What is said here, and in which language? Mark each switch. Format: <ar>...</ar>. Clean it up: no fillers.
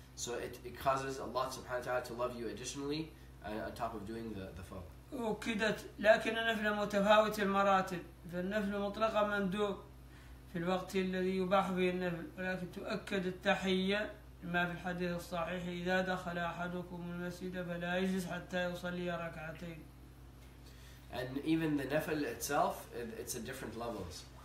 <en>So it causes Allah subhanahu wa ta'ala to love you additionally on top of doing the fard.</en> <ar>أكدت لكن النفل متفاوت المراتب فالنفل مطلقا مندوب في الوقت الذي يباح فيه النفل ولكن تؤكد التحية ما في الحديث الصحيح إذا دخل أحدكم المسجد فلا يجلس حتى يصلي ركعتين.</ar> <en>And even the nafil itself, it's a different levels.</en>